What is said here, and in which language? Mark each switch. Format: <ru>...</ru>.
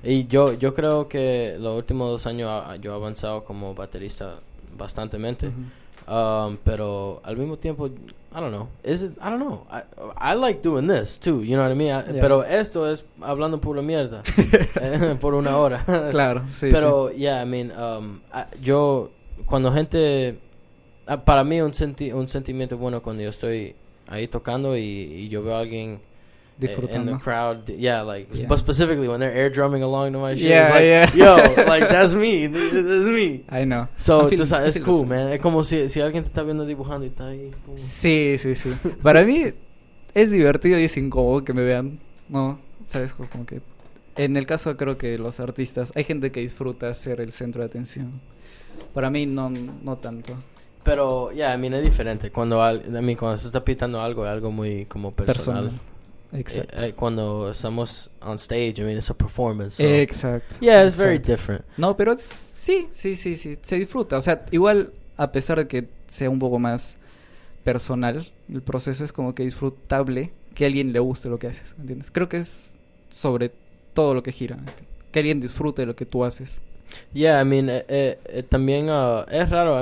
<es>Y yo creo que los últimos dos años yo he avanzado como baterista bastantemente. Uh-huh. Pero al mismo tiempo,</es> <en>I don't know. I like doing this too, you know what I mean? Yeah.</en> <es>Pero esto es hablando pura mierda por una hora. Claro, sí. Pero sí.</es> <en>Yeah, I mean,</en> <es>yo cuando gente, para mí un sentimiento bueno cuando yo estoy ahí tocando y yo veo a alguien disfrutando</es> <en>in the crowd, yeah, like, yeah. But specifically when they're air drumming along to my shit, yeah, it's like, yeah. Yo, like, that's me. I know. So, it's cool, man.</en> <es>Es como si alguien te está viendo dibujando y está ahí. Como... Sí. Para mí es divertido y es incómodo que me vean, ¿no? Sabes, como que en el caso creo que los artistas, hay gente que disfruta ser el centro de atención. Para mí no tanto. Pero, yeah, a mí no es diferente. Cuando se está pintando algo, es algo muy como personal. Exacto. Cuando estamos</es> <en>on stage, I mean, it's a performance. So.</en> <es>Exacto.</es> <en>Yeah, it's very different.</en> <es>No, pero sí. Se disfruta. O sea, igual, a pesar de que sea un poco más personal, el proceso es como que disfrutable que a alguien le guste lo que haces, ¿entiendes? Creo que es sobre todo lo que gira, que alguien disfrute lo que tú haces.</es> <en>Yeah, I mean,</en> <es>también es raro.</es>